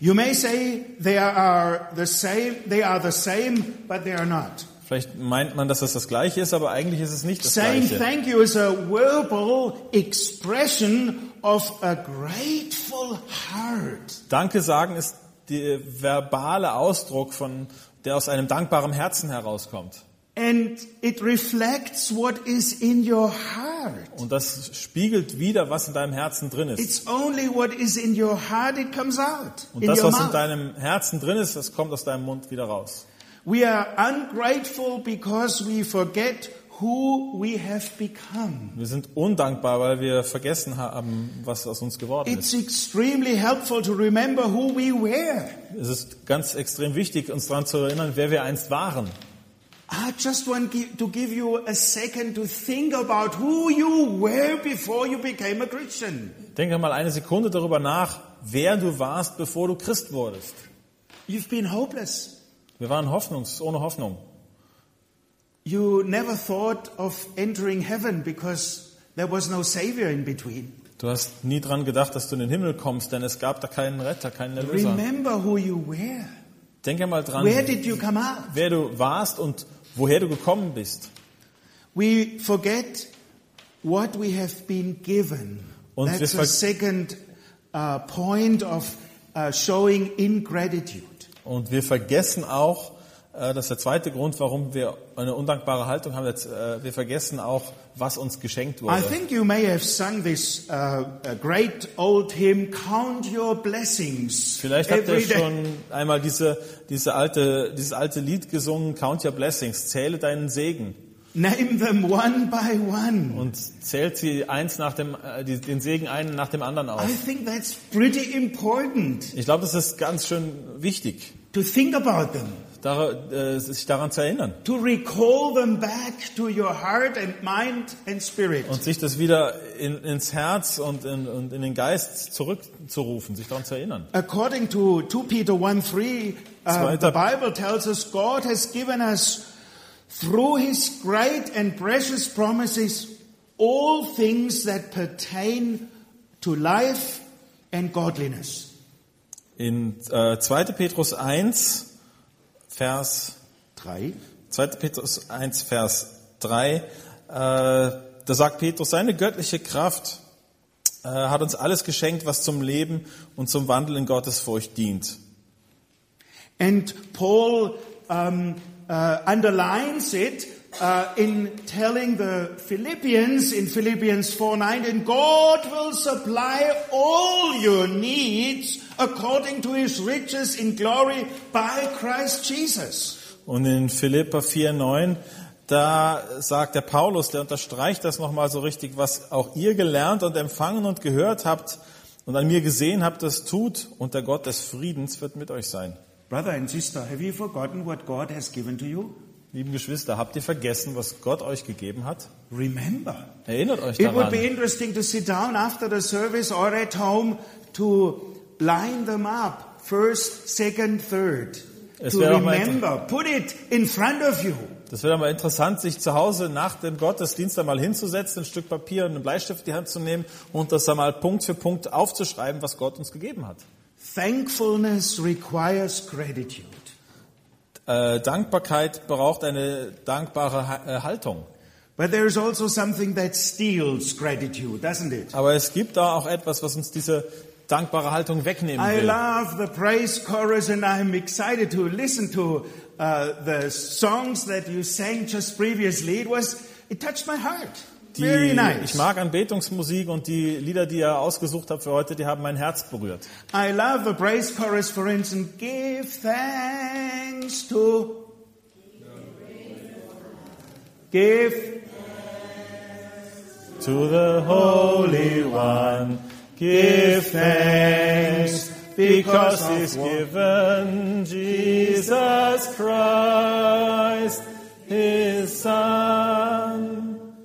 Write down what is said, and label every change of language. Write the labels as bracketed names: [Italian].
[English] You may say they are the same, but they are not. [German] Vielleicht meint man, dass das gleiche ist, aber eigentlich ist es nicht das [English] Saying [German] gleiche. [English] Saying thank you is a verbal expression of a grateful heart. [German] Danke sagen ist der verbale Ausdruck von der aus einem dankbaren Herzen herauskommt. [English] And it reflects what is in your heart. [German] Und das spiegelt wieder, was in deinem Herzen drin ist. [English] It's only what is in your heart it comes out. [German] Und das, was in deinem Herzen drin ist, das kommt aus deinem Mund wieder raus. [English] We are ungrateful because we forget who we have become. [German] Wir sind undankbar, weil wir vergessen haben, was aus uns geworden ist. [English] It's extremely helpful to remember who we were. [German] Es ist ganz extrem wichtig, uns daran zu erinnern, wer wir einst waren. [English] I just want to give you a second to think about who you were before you became a Christian. [German] Denk einmal eine Sekunde darüber nach, wer du warst, bevor du Christ wurdest. [English] You've been hopeless. [German] Wir waren ohne Hoffnung. [English] You never thought of entering heaven because there was no savior in between. [German] Du hast nie dran gedacht, dass du in den Himmel kommst, denn es gab da keinen Retter, keinen Erlöser. [English] Remember who you were. [German] Denk einmal dran. [English] Where did you come out? [German] Wer du warst und woher du gekommen bist. [English] We forget what we have been given. [German] Und [English] that's the second point of showing ingratitude. [German] Und wir vergessen auch, das ist der zweite Grund, warum wir eine undankbare Haltung haben, wir vergessen auch, was uns geschenkt wurde. [English] I think you may have sung this great old hymn, Count Your Blessings. [German] Vielleicht habt ihr schon einmal dieses alte Lied gesungen, Count Your Blessings, zähle deinen Segen. [English] Name them one by one. [German] Und zählt sie eins nach dem den Segen einen nach dem anderen auf. [English] I think that's pretty important. [German] Ich glaube, das ist ganz schön wichtig. [English] To think about them. [German] Sich daran zu erinnern. [English] To recall them back to your heart and mind and spirit. [German] Und sich das wieder ins Herz und in den Geist zurückzurufen, sich daran zu erinnern. [English] According to 2 Peter 1:3, the Bible tells us God has given us through his great and precious promises, all things that pertain to life and godliness. [German] In 2. Petrus 1, Vers 3. 2. Petrus 1, Vers 3. Da sagt Petrus, seine göttliche Kraft hat uns alles geschenkt, was zum Leben und zum Wandel in Gottes Furcht dient. [English] And Paul underlines it in telling the Philippians in Philippians 4:19, God will supply all your needs according to his riches in glory by Christ Jesus. [German] Und in Philipper 4:9, da sagt der Paulus, der unterstreicht das nochmal so richtig, was auch ihr gelernt und empfangen und gehört habt und an mir gesehen habt, das tut, und der Gott des Friedens wird mit euch sein. [English] Brother and sister, have you forgotten what God has given to you? [German] Lieben Geschwister, habt ihr vergessen, was Gott euch gegeben hat? [English] Remember. [German] Erinnert euch daran. [English] It would be interesting to sit down after the service or at home to line them up, first, second, third. Put it in front of you. [German] Das wäre mal interessant, sich zu Hause nach dem Gottesdienst einmal hinzusetzen, ein Stück Papier und einen Bleistift in die Hand zu nehmen und das einmal Punkt für Punkt aufzuschreiben, was Gott uns gegeben hat. [English] Thankfulness requires gratitude. [German] Dankbarkeit braucht eine dankbare Haltung. [English] But there is also something that steals gratitude, doesn't it? [German] Aber es gibt da auch etwas, was uns diese dankbare Haltung wegnehmen will. [English] I love the praise chorus and I'm excited to listen to the songs that you sang just previously. It touched my heart. Very nice. [German] Ich mag Anbetungsmusik und die Lieder, die ihr ausgesucht habt für heute, die haben mein Herz berührt. [English] I love the praise chorus, for instance, give thanks to give to the Holy One, give thanks because He's given Jesus Christ, His Son.